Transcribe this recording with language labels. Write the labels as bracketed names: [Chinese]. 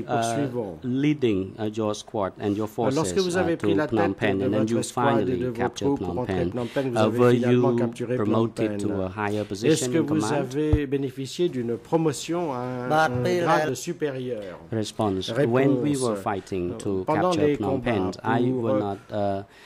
[English] were leading your squad and your forces to Phnom Penh, and then you finally captured Phnom Penh, were you promoted to a higher position [French] est-ce que [English] in command? [French] Vous avez bénéficié d'une promotion à un grade supérieur? [English] Response. When we were fighting to capture Phnom Penh, I was not